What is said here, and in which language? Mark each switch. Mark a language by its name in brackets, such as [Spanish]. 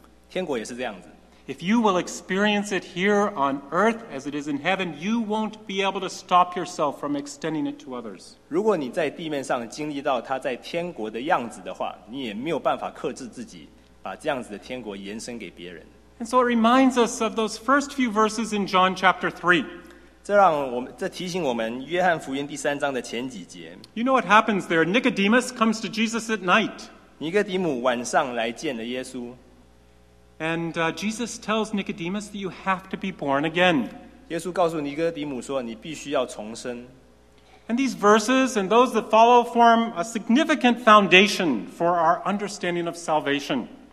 [Chinese] 天国也是这样子。 [English] If you will experience it here on earth as it is in heaven, you won't be able to stop yourself from extending it to others. [Chinese] 如果你在地面上经历到他在天国的样子的话，你也没有办法克制自己，把这样子的天国延伸给别人。 [English] And so it reminds us of those first few verses in John chapter 3. [Chinese] 这提醒我们约翰福音第三章的前几节。 [English] You know what happens there? Nicodemus comes to Jesus at night. [Chinese] 尼哥底母晚上来见了耶稣。 [English] And Jesus tells Nicodemus that you have to be born again. [Chinese] 耶稣告诉尼哥底母说，你必须要重生。 [English] And these verses and those that follow form a significant foundation for our understanding of salvation.